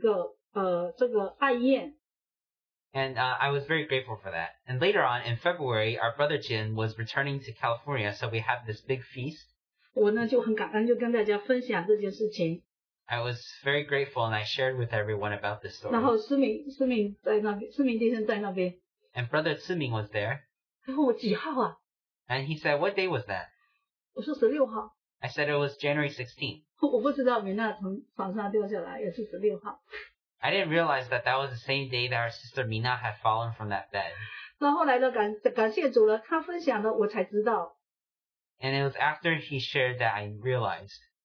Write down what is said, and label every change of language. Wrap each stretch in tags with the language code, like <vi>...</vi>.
<zh>然后那天呢，我就好像是那个二月份，简弟兄要回这个加州的时候，我们有一个这个爱宴。</zh> <en>And I was very grateful for that. And later on, in February, our brother Jin was returning to California, so we had this big feast.</en> <zh>我呢就很感恩，就跟大家分享这件事情。</zh> <en>I was very grateful, and I shared with everyone about this story.</en> <zh>然后思明在那边，思明弟兄在那边。</zh> <en>And brother Siming was there.</en> <zh>他问我几号啊？</zh> <en>And he said, what day was that?</en> <zh>我说16号。</zh> <en>I said, it was January 16th.</en> <zh>我不知道米娜从床上掉下来，也是16号。</zh> <en>I didn't realize that that was the same day that our sister Mina had fallen from that bed.</en> <zh>然后来了，感谢主了，他分享了，我才知道。</zh> <en>And it was after he shared that I realized.</en>